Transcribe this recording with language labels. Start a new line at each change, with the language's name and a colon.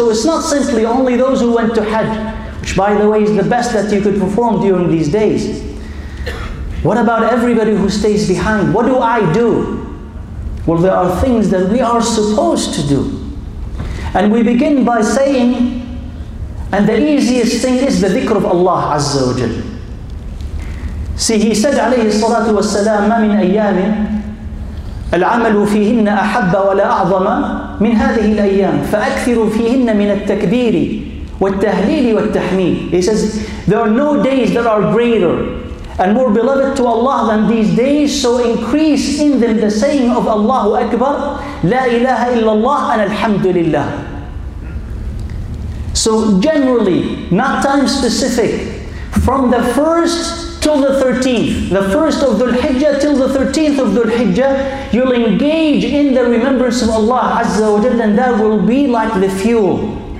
English: So it's not simply only those who went to Hajj, which by the way is the best that you could perform during these days. What about everybody who stays behind? What do I do? Well, there are things that we are supposed to do. And we begin by saying, and the easiest thing is the dhikr of Allah Azza wa Jal. See, he said alayhi salatu wassalam,
Arabic: مَا مِنْ أَيَّامٍ العمل فيهن أحب ولا أعظم من هذه الأيام فأكثر فيهن من التكبير والتهليل والتحميد.
English: He says, there are no days that are greater and more beloved to Allah than these days, so increase in them the saying of Allahu Akbar, La ilaha illallah and alhamdulillah. So generally, not time specific, from the first till the 13th, the first of Dhul Hijjah till the 13th of Dhul Hijjah, you'll engage in the remembrance of Allah Azza wa Jalla, and that will be like the fuel.